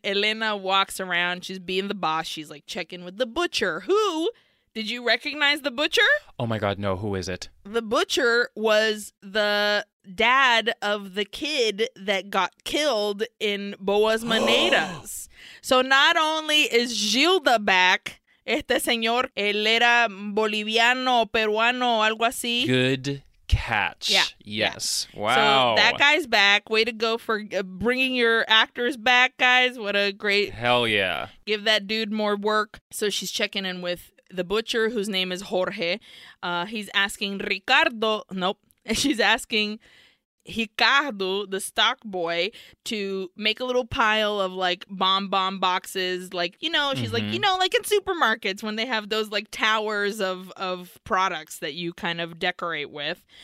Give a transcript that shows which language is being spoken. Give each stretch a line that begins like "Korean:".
English: Elena walks around. She's being the boss. She's like checking with the butcher who... Did you recognize the butcher? Oh my God, no. Who is it? The butcher was the dad of the kid that got killed in Boas Maneiras. So not only is Gilda back,
Spanish: este señor, él era boliviano, peruano, algo así.
English: Good catch. Yeah. Yes. Yeah. Wow. So that guy's back. Way to go for bringing your actors back, guys. What a great... Hell yeah. Give that dude more work. So she's checking in with the butcher, whose name is Jorge. He's asking Ricardo... Nope. And she's asking Ricardo, the stock boy, to make a little pile of like bomb boxes, like, you know, she's like, you know, like in supermarkets when they have those like towers of products that you kind of decorate with.